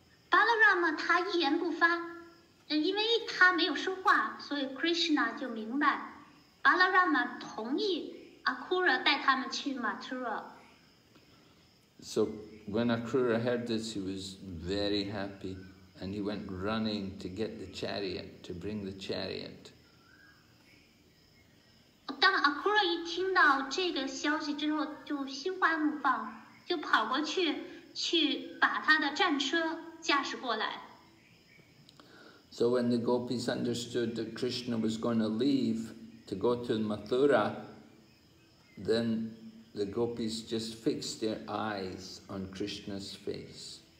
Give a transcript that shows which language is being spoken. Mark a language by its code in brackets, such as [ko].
[zh] Balaram, 他一言不发，因为他没有说话，所以 Krishna 就明白 Balaram 同意 Akrura 带他们去 Mathura. [en] So when Akrura heard this, he was very happy, and he went running to get the chariot, to bring the chariot. [zh] 当 Akrura 一听到这个消息之后，就心花怒放，就跑过去去把他的战车驾驶过来。 [en] So when the gopis understood that Krishna was going to leave to go to Mathura, then the gopis just fixed their eyes on Krishna's face.